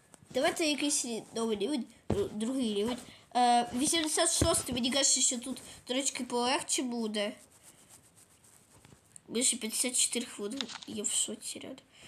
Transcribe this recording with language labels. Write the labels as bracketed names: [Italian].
[Ukrainian] Давайте якийсь новый рівень, другий рівень. [Russian] 86-й, мне кажется, что тут трошки полегче будет. [Ukrainian] Більше 54 хвилини, я в шоці ряду.